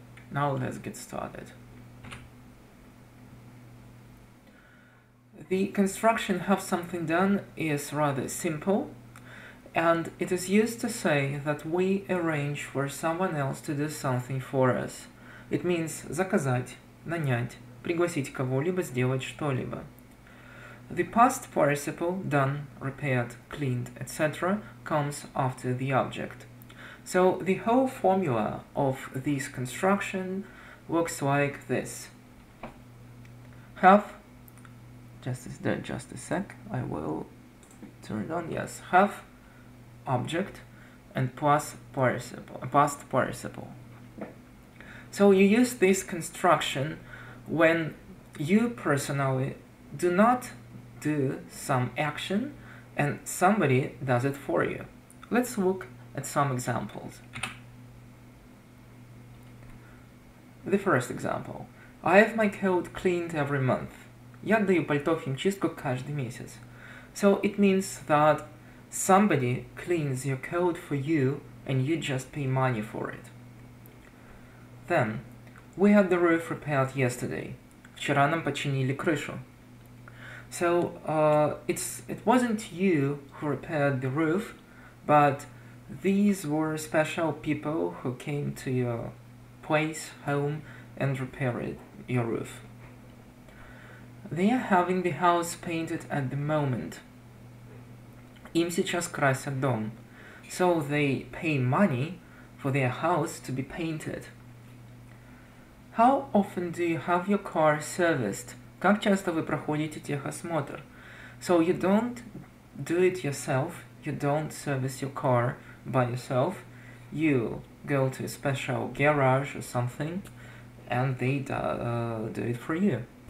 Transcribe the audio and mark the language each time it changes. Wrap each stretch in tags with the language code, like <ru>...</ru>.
<en>Now let's get started. The construction have something done is rather simple, and it is used to say that we arrange for someone else to do something for us. It means</en> <ru>заказать, нанять, пригласить кого-либо сделать что-либо.</ru> <en>The past participle, done, repaired, cleaned, etc., comes after the object. So the whole formula of this construction looks like this. Have, have object and plus participle, past participle. So you use this construction when you personally do not do some action and somebody does it for you. Let's look at some examples. The first example. I have my coat cleaned every month.</en> <ru>Я отдаю пальто в химчистку каждый месяц.</ru> <en>So it means that somebody cleans your coat for you and you just pay money for it. Then, we had the roof repaired yesterday.</en> <ru>Вчера нам починили крышу.</ru> <en>So, it wasn't you who repaired the roof, but these were special people who came to your place, home, and repaired your roof. They are having the house painted at the moment.</en> <ru>Им сейчас красят дом.</ru> <en>So they pay money for their house to be painted. How often do you have your car serviced?</en> <ru>Как часто вы проходите техосмотр?</ru> <en>So you don't do it yourself, you don't service your car by yourself. You go to a special garage or something and they do it for you.</en>